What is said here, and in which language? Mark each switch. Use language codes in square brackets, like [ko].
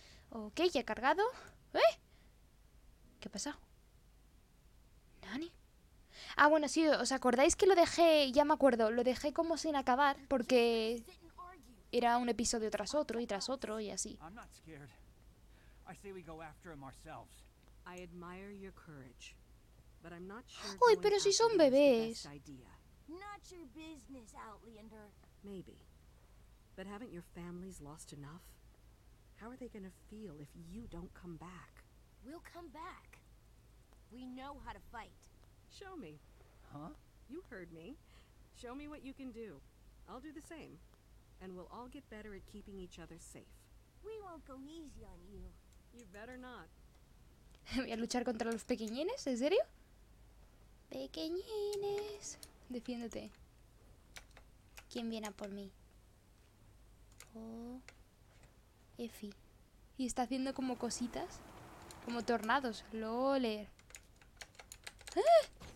[es] Ok, ya he cargado. ¿Eh? ¿Qué ha pasado? ¿Nani? Ah, bueno, sí, ¿os acordáis que lo dejé? Ya me acuerdo, lo dejé como sin acabar porque era un episodio tras otro y tras otro y así. [en] I'm not scared. I say we go after him ourselves. I admire your courage, but I'm not sure. [es] Uy, pero si son bebés. [en] Not your business, Outlander. Maybe. But haven't your families lost enough? How are they going to feel if you don't come back? We'll come back. We know how to fight. Show me. Huh? You heard me. Show me what you can do. I'll do the same. And we'll all get better at keeping each other safe. We won't go easy on you. You better not. [es] ¿Voy a luchar contra los pequeñines? ¿En serio? Pequeñines, defiéndete. ¿Quién viene a por mí? Oh, Effie. Y está haciendo como cositas, como tornados. Loler. ¡Ah!